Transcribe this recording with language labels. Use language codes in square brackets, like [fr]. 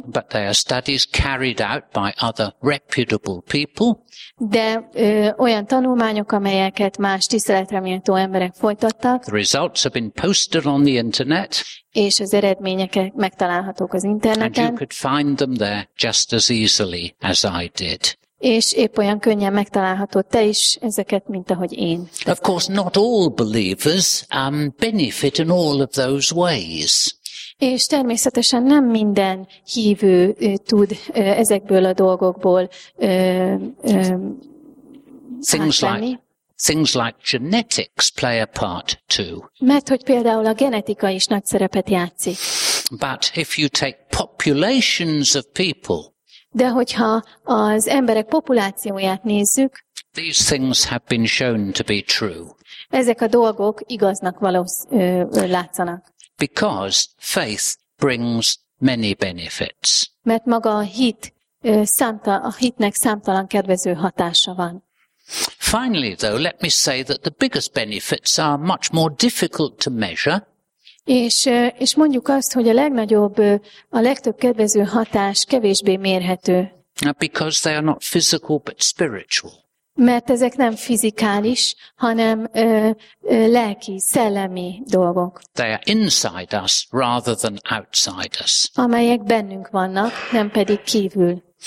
[en] but they are studies carried out by other reputable people. [hu] De olyan tanulmányok, amelyeket más tiszteletre méltó emberek folytattak. [en] The results have been posted on the internet. [hu] És az eredményeket megtalálhatók az interneten. [en] And you could find them there just as easily as I did. [hu] És épp olyan könnyen megtalálható te is ezeket, mint ahogy én. [en] Of course, not all believers benefit in all of those ways. [hu] És természetesen nem minden hívő tud ezekből a dolgokból átvenni. [en] Things like genetics play a part too. [hu] Mert hogy például a genetika is nagy szerepet játszik. [en] But if you take populations of people, [hu] de hogyha az emberek populációját nézzük, [en] these things have been shown to be true. [hu] Ezek a dolgok igaznak látszanak. [en] Because faith brings many benefits. [hu] Mert maga a hitnek számtalan kedvező hatása van. [en] Finally, though, let me say that the biggest benefits are much more difficult to measure. [hu] És mondjuk azt, hogy a legnagyobb, a legtöbb kedvező hatás kevésbé mérhető. [en] Because they are not physical, but spiritual. [hu] Mert ezek nem fizikális, hanem lelki, szellemi dolgok. [en] They are inside us rather than outside us. [hu] Amelyek bennünk vannak, nem pedig kívül.